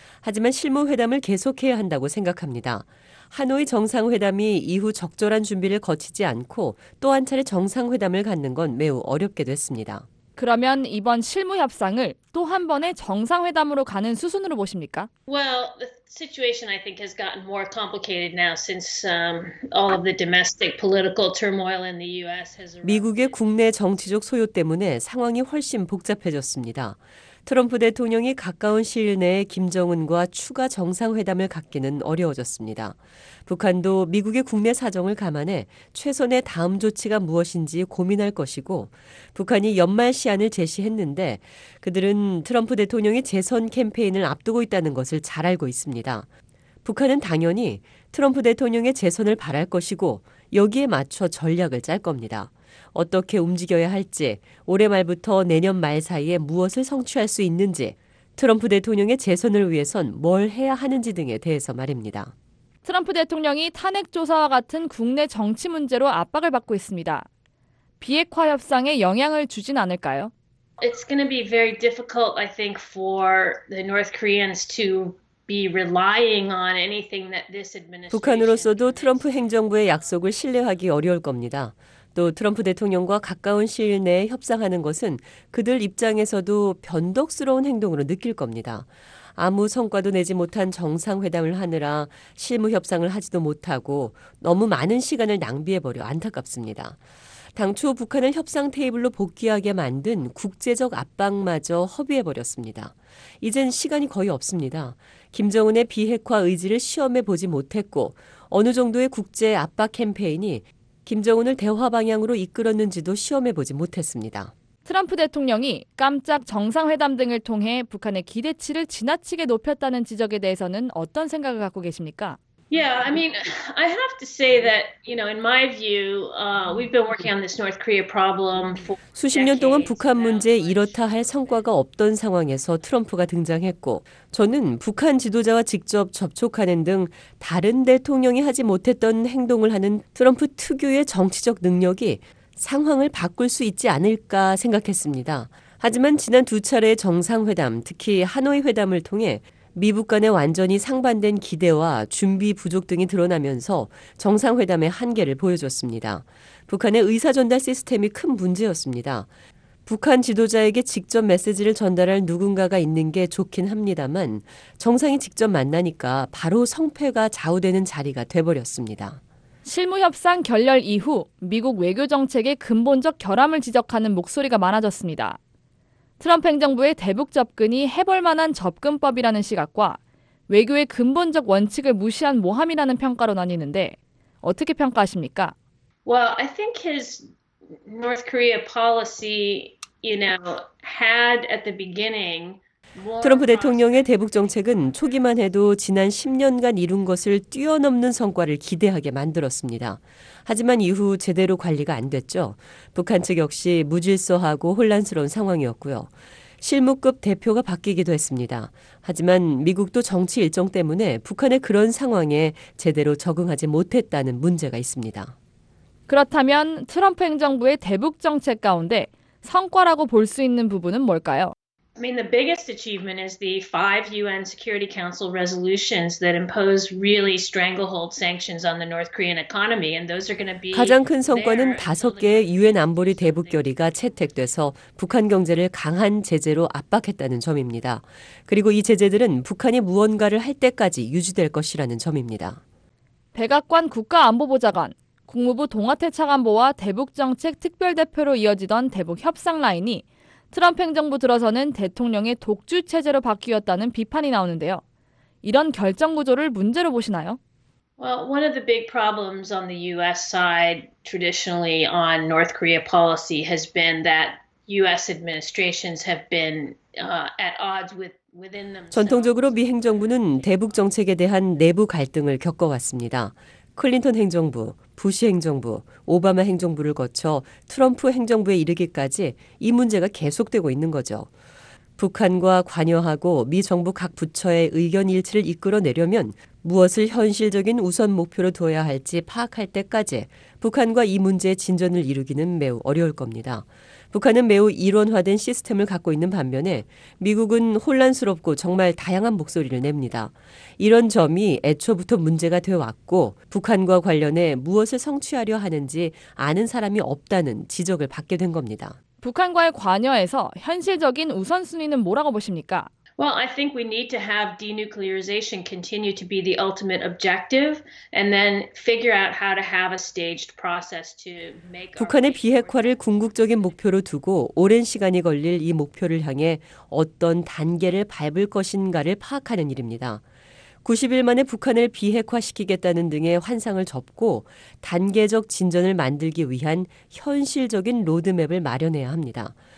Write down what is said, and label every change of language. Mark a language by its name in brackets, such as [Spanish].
[Korean] 하지만 실무 회담을 계속해야 한다고 생각합니다. 하노이 정상회담이 이후 적절한 준비를 거치지 않고 또 한 차례 정상회담을 갖는 건 매우 어렵게 됐습니다. 그러면 이번 실무 협상을 또 한 번의 정상회담으로 가는 수순으로 보십니까? [English] Well, situation I think has gotten more complicated now since all of the domestic political turmoil in the US has [Korean] 미국의 국내 정치적 소요 때문에 상황이 훨씬 복잡해졌습니다. 트럼프 대통령이 가까운 시일 내에 김정은과 추가 정상회담을 갖기는 어려워졌습니다. 북한도 미국의 국내 사정을 감안해 최선의 다음 조치가 무엇인지 고민할 것이고 북한이 연말 시한을 제시했는데 그들은 트럼프 대통령이 재선 캠페인을 앞두고 있다는 것을 잘 알고 있습니다. 북한은 당연히 트럼프 대통령의 재선을 바랄 것이고 여기에 맞춰 전략을 짤 겁니다. 어떻게 움직여야 할지, 올해 말부터 내년 말 사이에 무엇을 성취할 수 있는지, 트럼프 대통령의 재선을 위해선 뭘 해야 하는지 등에 대해서 말입니다. 트럼프 대통령이 탄핵조사와 같은 국내 정치 문제로 압박을 받고 있습니다. 비핵화 협상에 영향을 주진 않을까요? [English] It's going to be very difficult, I think, for the North Koreans to be relying on anything that this administration [Korean] 북한으로서도 트럼프 행정부의 약속을 신뢰하기 어려울 겁니다. 또 트럼프 대통령과 가까운 시일 내에 협상하는 것은 그들 입장에서도 변덕스러운 행동으로 느낄 겁니다. 아무 성과도 내지 못한 정상회담을 하느라 실무 협상을 하지도 못하고 너무 많은 시간을 낭비해버려 안타깝습니다. 당초 북한을 협상 테이블로 복귀하게 만든 국제적 압박마저 허비해버렸습니다. 이젠 시간이 거의 없습니다. 김정은의 비핵화 의지를 시험해보지 못했고 어느 정도의 국제 압박 캠페인이 김정은을 대화 방향으로 이끌었는지도 시험해보지 못했습니다. 트럼프 대통령이 깜짝 정상회담 등을 통해 북한의 기대치를 지나치게 높였다는 지적에 대해서는 어떤 생각을 갖고 계십니까? [English] Yeah, I mean, I have to say that, you know, in my view, we've been working on this North Korea problem for [Korean] 수십 년 동안 북한 문제에 이렇다 할 성과가 없던 상황에서 트럼프가 등장했고, 저는 북한 지도자와 직접 접촉하는 등 다른 대통령이 하지 못했던 행동을 하는 트럼프 특유의 정치적 능력이 상황을 바꿀 수 있지 않을까 생각했습니다. 하지만 지난 두 차례 정상회담, 특히 하노이 회담을 통해 미북 간의 완전히 상반된 기대와 준비 부족 등이 드러나면서 정상회담의 한계를 보여줬습니다. 북한의 의사 전달 시스템이 큰 문제였습니다. 북한 지도자에게 직접 메시지를 전달할 누군가가 있는 게 좋긴 합니다만 정상이 직접 만나니까 바로 성패가 좌우되는 자리가 돼버렸습니다. 실무협상 결렬 이후 미국 외교정책의 근본적 결함을 지적하는 목소리가 많아졌습니다. 트럼프 행정부의 대북 접근이 해볼 만한 접근법이라는 시각과 외교의 근본적 원칙을 무시한 모함이라는 평가로 나뉘는데 어떻게 평가하십니까? [English] Well, I think his North Korea policy, you know, had at the beginning [Korean] 트럼프 대통령의 대북 정책은 초기만 해도 지난 10년간 이룬 것을 뛰어넘는 성과를 기대하게 만들었습니다. 하지만 이후 제대로 관리가 안 됐죠. 북한 측 역시 무질서하고 혼란스러운 상황이었고요. 실무급 대표가 바뀌기도 했습니다. 하지만 미국도 정치 일정 때문에 북한의 그런 상황에 제대로 적응하지 못했다는 문제가 있습니다. 그렇다면 트럼프 행정부의 대북 정책 가운데 성과라고 볼 수 있는 부분은 뭘까요? [English] I mean, the biggest achievement is the five UN Security Council resolutions that impose really stranglehold sanctions on the North Korean economy, and those are going to be [Korean] 가장 큰 성과는 다섯 개의 유엔 안보리 대북 결의가 채택돼서 북한 경제를 강한 제재로 압박했다는 점입니다. 그리고 이 제재들은 북한이 무언가를 할 때까지 유지될 것이라는 점입니다. 백악관 국가안보보좌관, 국무부 동아태 차관보와 대북 정책 특별 대표로 이어지던 대북 협상 라인이 트럼프 행정부 들어서는 대통령의 독주 체제로 바뀌었다는 비판이 나오는데요. 이런 결정 구조를 문제로 보시나요? [English] Well, one of the big problems on the US side traditionally on North Korea policy has been that US administrations have been at odds with [Korean] 전통적으로 미 행정부는 대북 정책에 대한 내부 갈등을 겪어왔습니다. 클린턴 행정부, 부시 행정부, 오바마 행정부를 거쳐 트럼프 행정부에 이르기까지 이 문제가 계속되고 있는 거죠. 북한과 관여하고 미 정부 각 부처의 의견 일치를 이끌어내려면 무엇을 현실적인 우선 목표로 둬야 할지 파악할 때까지 북한과 이 문제의 진전을 이루기는 매우 어려울 겁니다. 북한은 매우 일원화된 시스템을 갖고 있는 반면에 미국은 혼란스럽고 정말 다양한 목소리를 냅니다. 이런 점이 애초부터 문제가 되어왔고 북한과 관련해 무엇을 성취하려 하는지 아는 사람이 없다는 지적을 받게 된 겁니다. 북한과의 관여에서 현실적인 우선순위는 뭐라고 보십니까? [English] Well, I think we need to have denuclearization continue to be the ultimate objective and then figure out how to have a staged process to make [Korean] 북한의 비핵화를 궁극적인 목표로 두고 오랜 시간이 걸릴 이 목표를 향해 어떤 단계를 밟을 것인가를 파악하는 일입니다. 90일 만에 북한을 비핵화시키겠다는 등의 환상을 접고 단계적 진전을 만들기 위한 현실적인 로드맵을 마련해야 합니다.